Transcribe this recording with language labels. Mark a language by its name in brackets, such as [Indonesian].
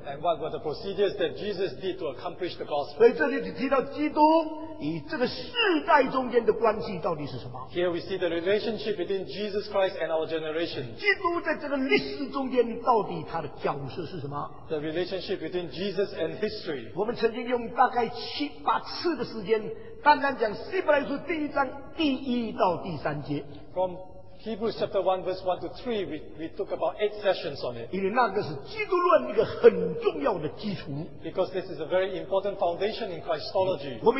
[English] And what were the procedures that Jesus did to accomplish the gospel? [Chinese] 所以这里就提到基督与这个世代中间的关系到底是什么？ [English] Here we see the relationship between Jesus Christ and our generation. [Chinese] 基督在这个历史中间到底他的角色是什么？ [English] The relationship between Jesus and history. [Chinese] 我们曾经用大概七八次的时间单单讲希伯来书第一章第一到第三节。 [English] From Hebrews chapter 1 verse 1 to 3, we took about 8 sessions on it. Because this is a very important foundation in Christology.